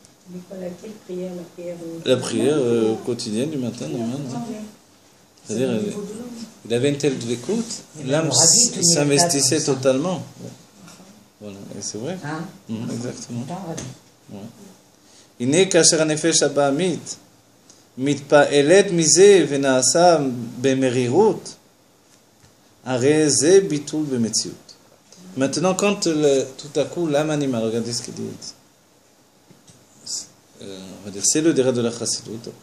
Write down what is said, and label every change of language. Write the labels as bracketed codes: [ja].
[fr] Mais voilà, quelle prière, La prière quotidienne du matin, normalement. Hein. C'est-à-dire, il avait une telle écoute, l'âme s'investissait totalement. Voilà, et c'est vrai. Hein? Mmh, exactement. [he] הנה כאשר הנפש הבאמית מתפעלת מזה ונעשה במרירות הרי זה ביטול במציאות. [fr] Maintenant, quand tout à coup l'âme animale, regardez ce qu'il dit, c'est le derrière de la chassidut.